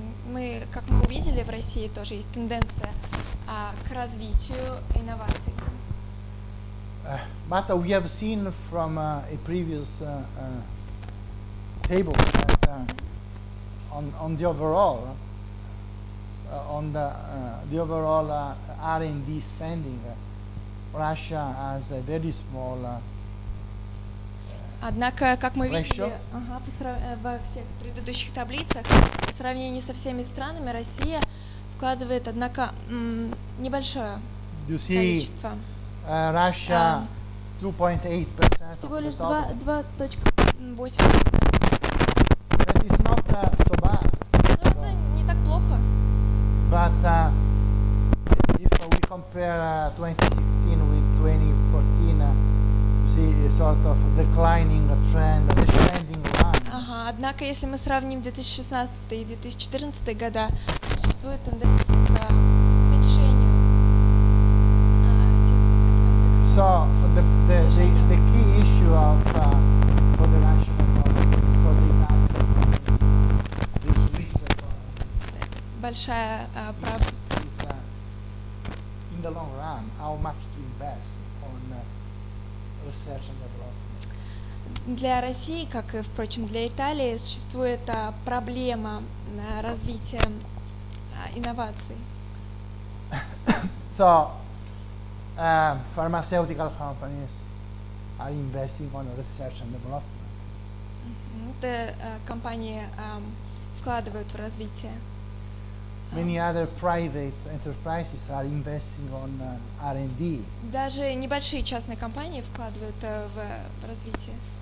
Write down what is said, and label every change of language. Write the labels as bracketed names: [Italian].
[Russian] Мы, как мы увидели, в России тоже есть тенденция к развитию инноваций. [English] But we have seen from a previous table that on the overall on the overall R&D spending Russia has a very small [Russian] Однако, как мы видели, во всех предыдущих таблицах, по сравнению со всеми странами, Россия вкладывает, однако, небольшое количество. [English] You see, Russia 2.8%. [Russian] Всего лишь 2.8%. [English] That is not so bad. [Russian] Ну, это не так плохо. [English] But if we compare 2016 with 2014, see a sort of declining trend, descending line. [Russian] Ага, однако, если мы сравним 2016 и 2014 года, существует тенденция к уменьшению этого индекса. [English] So, the key issue of for the Russian economy, for the Italian economy, is this [Russian] большая проблема. [English] In the long run, how much to invest on research and development. [Russian] Для России, как и, впрочем, для Италии, существует проблема развития инноваций. [English] So, pharmaceutical companies are investing on research and development. [Russian] Это компании вкладывают в развитие. [English] Many other private enterprises are investing on R&D. [Russian] Даже небольшие частные компании вкладывают в развитие.